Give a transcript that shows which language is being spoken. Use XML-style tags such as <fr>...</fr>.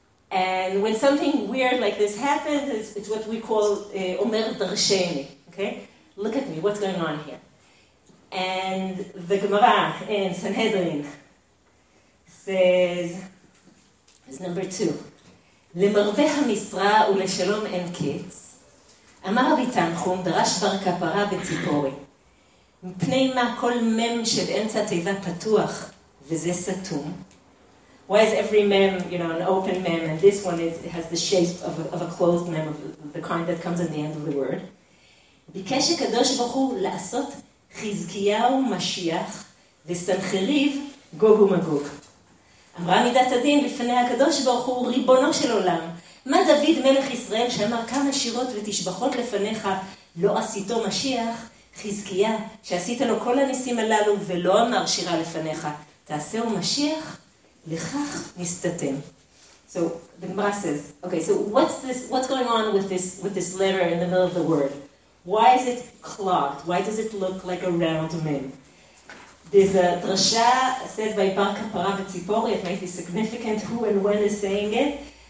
<en>And when something weird like this happens, it's what we call Omer Darsheni. Okay? Look at me, what's going on here? And the Gemara in Sanhedrin says, it's number two.</en> <he>Limarve ha-misra u'leshalom en kitz. אמר רבי תנחום, דרש בר כפרה בציפורי. מפני מה כל מם של אמצע תיבה פתוח, וזה סתום?</he> <en>Why is every mem, you know, an open mem, and this one is, has the shape of a closed mem, of the kind that comes at the end of the word?</en> <he>ביקש הקדוש ברוך הוא לעשות חזקיהו משיח, וסנחריב גוג ומגוג. אמרה מידת הדין לפני הקדוש ברוך הוא, ריבונו של עולם, מה דוד מלך ישראל שאמר כמה שירות ותשבחות לפניך לא עשיתו משיח? חזקיה שעשית לו כל הניסים הללו ולא אמר שירה לפניך. תעשהו משיח? לכך נסתתם.</he> <en>So the Gemara says, okay, so what's going on with this letter in the middle of the word? Why is it clogged? Why does it look like a round mem? There's a drasha said by Bar Kapara Tzipori, it might be significant who and when is saying it.</en>